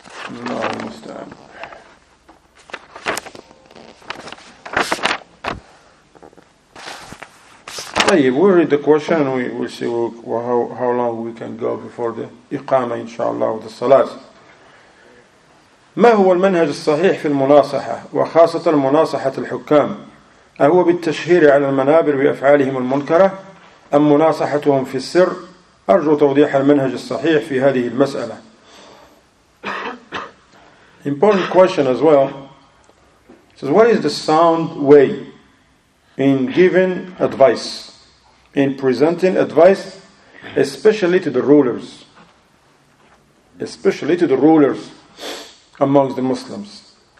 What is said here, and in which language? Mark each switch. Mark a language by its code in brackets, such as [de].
[en] No, I understand. Hey, we'll read the question and we'll see how long we can go before the إقامة إن شاء الله with the Salat. [ar] ما هو المنهج الصحيح في المناصحة وخاصة مناصحة الحكام؟ أهو بالتشهير على المنابر بأفعالهم المنكرة أم مناصحتهم في السر؟ أرجو توضيح المنهج الصحيح في هذه المسألة. [en] Important question as well. It says, what is the sound way in giving advice, in presenting advice, especially to the rulers? especially to the rulers amongst the Muslims.